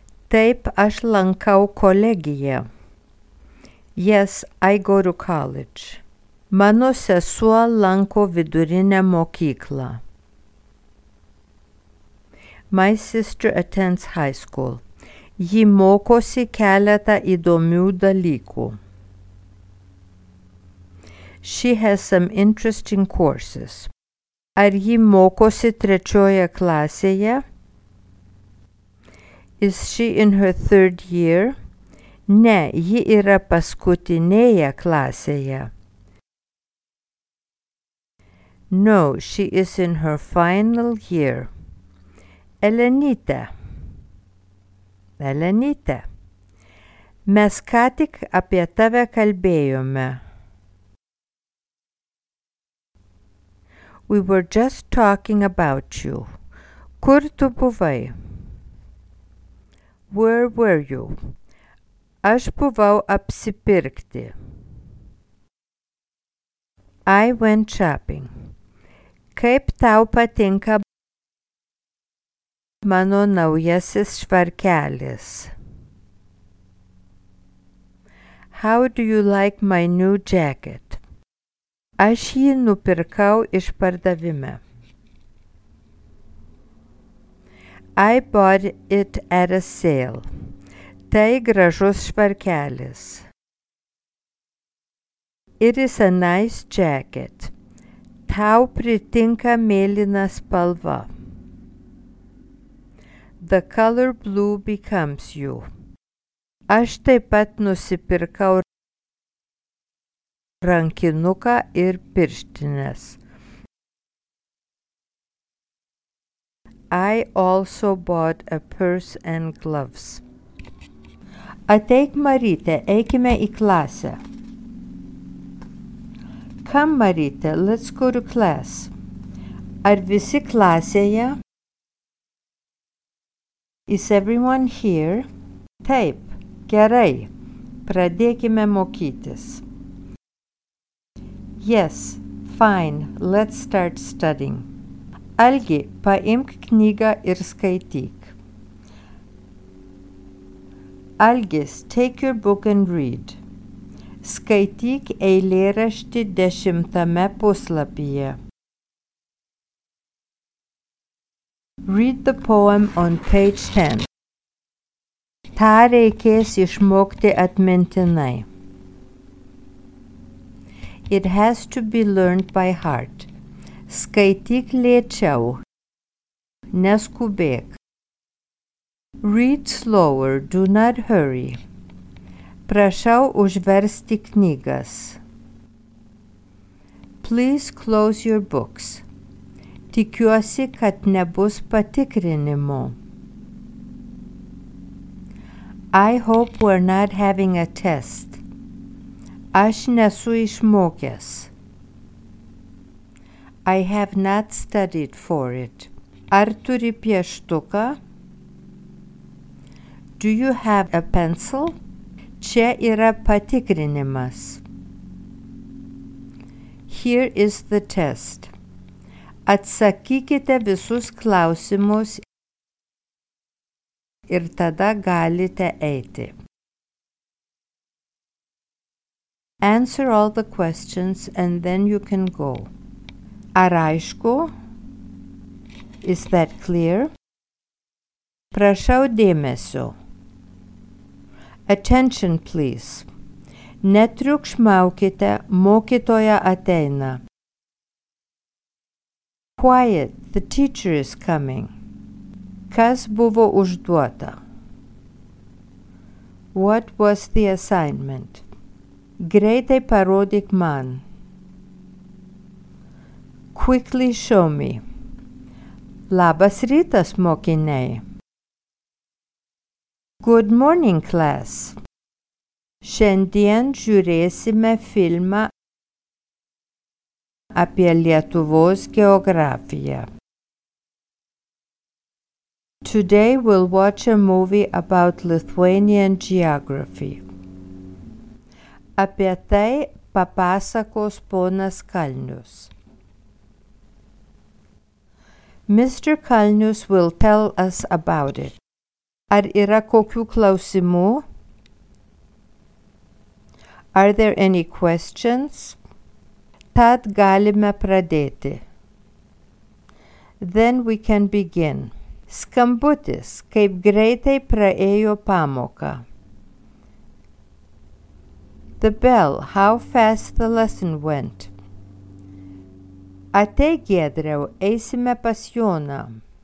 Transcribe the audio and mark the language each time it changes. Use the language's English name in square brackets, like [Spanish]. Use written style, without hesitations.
[Lithuanian] Taip, aš lankau kolegiją. [English] Yes, I go to college. [Lithuanian] Mano sesuo lanko vidurinę mokyklą. [English] My sister attends high school. [Lithuanian] Ji mokosi keletą įdomių dalykų. [English] She has some interesting courses. [Lithuanian] Ar ji mokosi trečioje klasėje? [English] Is she in her third year? [Lithuanian] Ne, ji yra paskutinėje klasėje. [English] No, she is in her final year. [Lithuanian] Elenite, mes ką tik apie tave kalbėjome. [English] We were just talking about you. [Lithuanian] Kur tu buvai? [English] Where were you? [Lithuanian] Aš buvau apsipirkti. [English] I went shopping. [Lithuanian] Kaip tau patinka mano naujasis švarkelis? [English] How do you like my new jacket? [Lithuanian] Aš jį nupirkau iš pardavime. [English] I bought it at a sale. [Lithuanian] Tai gražus švarkelis. [English] It is a nice jacket. [Lithuanian] Tau pritinka mėlyna spalva. [English] The color blue becomes you. [Lithuanian] Aš taip pat nusipirkau rankinuką ir pirštines. [English] I also bought a purse and gloves. [Lithuanian] Ateik, Marytė, eikime į klasę. [English] Come, Marytė, let's go to class. [Lithuanian] Ar visi klasėje? [English] Is everyone here? [Lithuanian] Taip, gerai. Pradėkime mokytis. [English] Yes, fine, let's start studying. [Lithuanian] Algi, paimk knygą ir skaityk. [English] Algis, take your book and read. [Lithuanian] Skaityk eilėraštį 10 puslapyje. [English] Read the poem on page 10. [Lithuanian] Tą reikės išmokti atmintinai. [English] It has to be learned by heart. [Lithuanian] Skaityk lėčiau. Neskubėk. [English] Read slower. Do not hurry. [Lithuanian] Prašau užversti knygas. [English] Please close your books. [Lithuanian] Tikiuosi, kad nebus patikrinimo. [English] I hope we're not having a test. [Lithuanian] Aš nesu išmokęs. [English] I have not studied for it. [Lithuanian] Ar turi pieštuką? [English] Do you have a pencil? [Lithuanian] Čia yra patikrinimas. [English] Here is the test. [Lithuanian] Atsakykite visus klausimus ir tada galite eiti. [English] Answer all the questions and then you can go. [Lithuanian] Ar aišku? [English] Is that clear? [Lithuanian] Prašau dėmesio. [English] Attention, please. [Lithuanian] Netriukšmaukite, mokytoja ateina. [English] Quiet, the teacher is coming. [Lithuanian] Kas buvo užduota? [English] What was the assignment? [Lithuanian] Greitai parodyk man. [English] Quickly show me. [Lithuanian] Labas rytas, mokiniai. [English] Good morning, class. [Lithuanian] Šiandien žiūrėsime filmą apie Lietuvos geografiją. [English] Today we'll watch a movie about Lithuanian geography. [Lithuanian] Apie tai papasakos ponas Kalnius. [English] Mr. Kalnius will tell us about it. [Lithuanian] Ar yra kokių klausimų? [English] Are there any questions? [Lithuanian] Tad galime pradėti. [English] Then we can begin. [Lithuanian] Skambutis, kaip greitai praėjo pamoka. [English] The bell, how fast the lesson went. [Lithuanian] Ateik, Giedriau, eisime pas Joną.